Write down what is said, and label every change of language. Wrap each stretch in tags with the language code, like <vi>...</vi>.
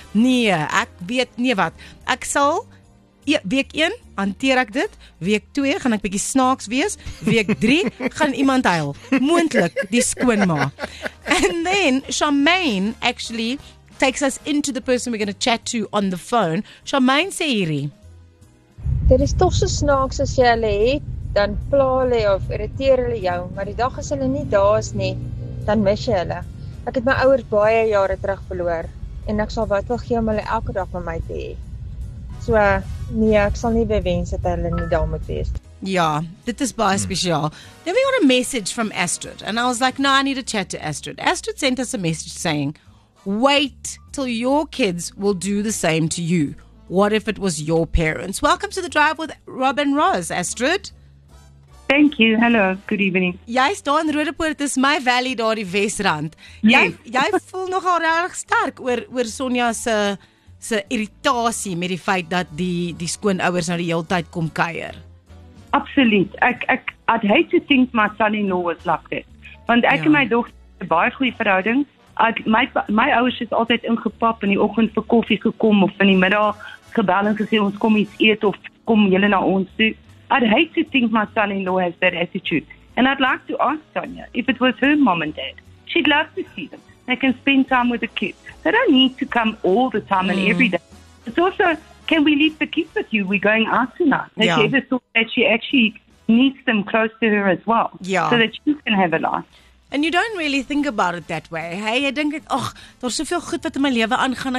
<af>Nee, ek weet nie wat. Ek sal week 1 hanteer ek dit, week 2 gaan ek bietjie snaaks wees, week 3 gaan iemand huil. Moontlik die skoonma.</af> <en>And then Charmaine actually takes us into the person we're going to chat to on the phone.</en> <af>Charmaine sê hierdie. Dit is toch so snaaks as jy hulle het, dan pla hulle of irriteer hulle jou, maar die dag as hulle nie daar is nie, dan mis jy hulle. Ek het my ouers baie jare terug verloor en ek sal wat wil gee om hulle elke dag met my te hê. So, nee, ek sal nie bewens dat hulle nie daar moet wees. Ja, dit is baie speciaal.</af> <en>Then we got a message from Astrid and I was like, no, I need to chat to Astrid. Astrid sent us a message saying, wait till your kids will do the same to you. What if it was your parents? Welcome to The Drive with Rob and Roz, Astrid. Thank you. Hello. Good evening.</en> <af>Jy staan in Roodepoort, is my valley daar die Wesrand. Jy voel nogal reg sterk oor Sonja se irritasie met die feit dat die skoonouers nou die hele tyd kom kuier. Absoluut.</af> <en>Ek I'd hate to think my son-in-law was like that.</en> <af>Want ek en my dogter het baie goeie verhouding. My ouders is altijd ingepap in die ochtend vir koffie gekom of in die middag gebel en gesê ons kom iets eet of kom julle na ons toe.</af> <en>I'd hate to think my son-in-law has that attitude. And I'd like to ask Sonja, if it was her mom and dad, she'd love to see them. They can spend time with the kids. They don't need to come all the time and every day. It's also, can we leave the kids with you? We're going out tonight. Has she ever thought that she actually needs them close to her as well? Yeah. So that she can have a life. And you don't really think about it that way.</en> <af>Hey, jy dink, ag, daar's soveel goed wat in my lewe aangaan.</af>